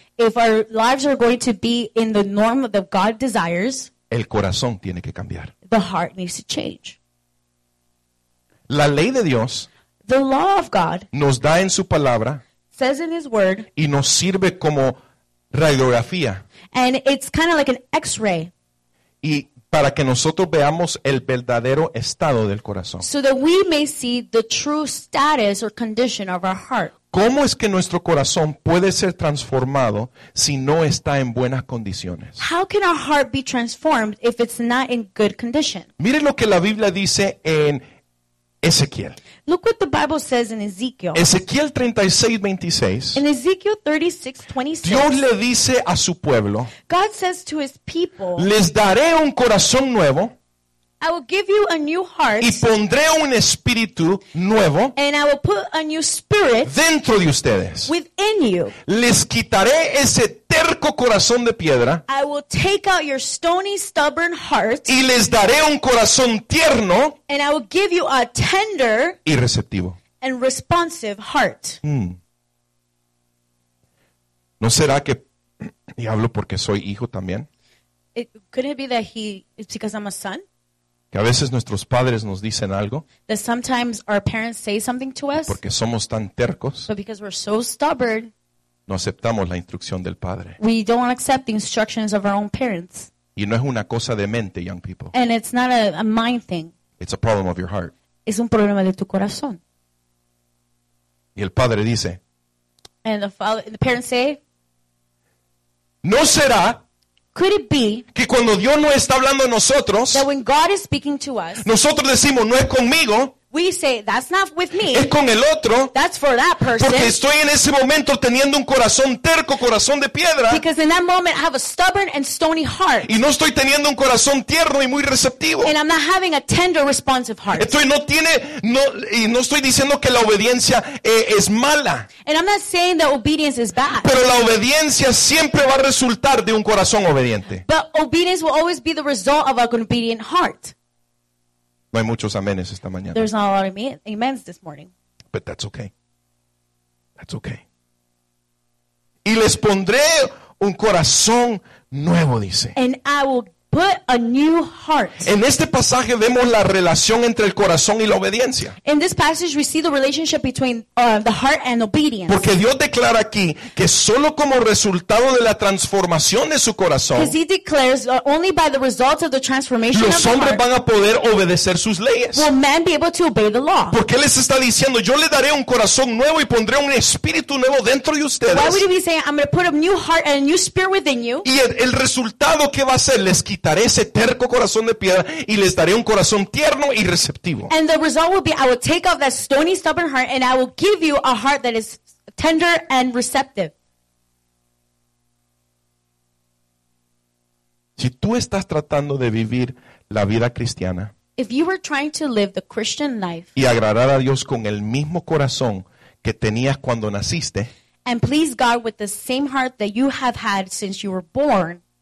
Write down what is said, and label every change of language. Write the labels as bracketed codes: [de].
[en] if our lives are going to be in the norm that God desires, [es] el corazón tiene que cambiar. [en] The heart needs to change. [es] La ley de Dios, [en] the law of God, [es] nos da en su palabra, [en] says in his word, [es] y nos sirve como radiografía, [en] and it's kind of like an x-ray. [es] Y para que nosotros veamos el verdadero estado del corazón. [en] So that we may see the true status or condition of our heart. [es] ¿Cómo es que nuestro corazón puede ser transformado si no está en buenas condiciones? [en] How can our heart be transformed if it's not in good condition? [es] Miren lo que la Biblia dice en Ezequiel. [en] Look what the Bible says in Ezekiel. [es] Ezequiel 36:26. [en] In Ezekiel 36:26. [es] Dios le dice a su pueblo. [en] God says to his people. [es] Les daré un corazón nuevo. [en] I will give you a new heart. [es] Y pondré un espíritu nuevo. [en] And I will put a new spirit. [es] Dentro de ustedes. [en] Within you. [es] Les quitaré ese terco corazón de piedra. [en] I will take out your stony, stubborn heart. [es] Y les daré un corazón tierno. [en] And I will give you a tender. [es] Y receptivo. [en] And responsive heart. [es] ¿No será que, y hablo porque soy hijo también? [en] Couldn't it be that it's because I'm a son? [es] Que a veces nuestros padres nos dicen algo. [en] That sometimes our parents say something to us. [es] Porque somos tan tercos. [en] But because we're so stubborn. [es] No aceptamos la instrucción del padre. [en] We don't accept the instructions of our own parents. [es] Y no es una cosa de mente, [en] young people. And it's not a mind thing. It's a problem of your heart. [es] Es un problema de tu corazón. Y el padre dice. [en] And the parents say. [es] No será. [en] Could it be [es] que cuando Dios no está hablando a nosotros, [en] that when God is speaking to us, [es] nosotros decimos, no es conmigo, [en] we say, that's not with me. [es] Es con el otro. [en] That's for that person. [es] Porque estoy en ese momento teniendo un corazón terco, corazón de piedra. [en] Because in that moment I have a stubborn and stony heart. [es] Y no estoy teniendo un corazón tierno y muy receptivo. [en] And I'm not having a tender, responsive heart. [es] Estoy no tiene no y no estoy diciendo que la obediencia es mala. [en] And I'm not saying that obedience is bad. [es] Pero la obediencia siempre va a resultar de un corazón obediente. [en] But obedience will always be the result of an obedient heart. [es] No hay muchos amenes esta mañana. [en] There's not a lot of amens this morning. But that's okay. That's okay. [es] Y les pondré un corazón nuevo, dice. [en] And I will put a new heart. [es] En este pasaje vemos la relación entre el corazón y la obediencia. [en] In this passage we see the relationship between the heart and obedience. [es] Porque Dios declara aquí que solo como resultado de la transformación de su corazón, [en] because he declares only by the result of the transformation [es] los [en] of [es] hombres [en] the heart, [es] van a poder obedecer sus leyes. [en] Will man be able to obey the law? [es] Porque él les está diciendo, yo le daré un corazón nuevo y pondré un espíritu nuevo dentro de ustedes. [en] Why would he be saying, I'm going to put a new heart and a new spirit within you? [es] Y el resultado que va a ser, les quitaré ese terco corazón de piedra y les daré un corazón tierno y receptivo. [en] And the result will be I will take off that stony, stubborn heart and I will give you a heart that is tender and receptive. [es] Si tú estás tratando de vivir la vida cristiana, [en] if you were trying to live the Christian life, [es] y agradar a Dios con el mismo corazón que tenías cuando naciste, [en] and please God with the same heart that you have had since you were born,